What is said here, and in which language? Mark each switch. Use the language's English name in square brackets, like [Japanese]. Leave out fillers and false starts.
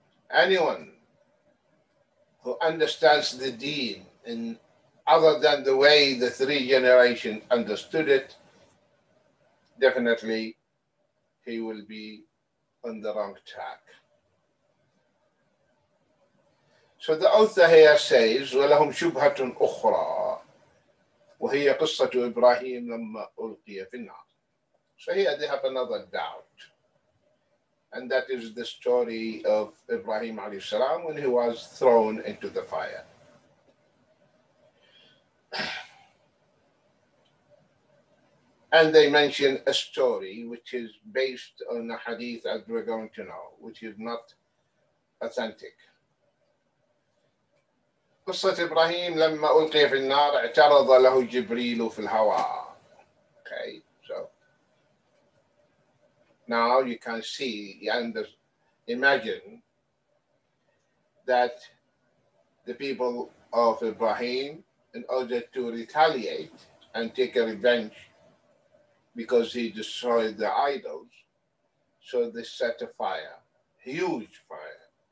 [English] Anyone who understands the deen in other than the way the three generations understood it, definitely he will be on the wrong track. So the author here says, [Arabic] وَلَهُمْ شُبْهَةٌ أُخْرَى وَهِيَ قِصَّةُ إِبْرَاهِيمَ لَمَّا أُلْقِيَ فِي النَّارِ. [English] So here they have another doubt. And that is the story of Ibrahim alayhi salam when he was thrown into the fire. And they mention a story which is based on a hadith, as we're going to know, which is not authentic. [Arabic] قصه ابراهيم لما القي في النار اعترض له جبريل في الهواء. [English] Okay, so now you can see and imagine that the people of Ibrahim, in order to retaliate and take a revenge because he destroyed the idols, so they set a fire, huge fire.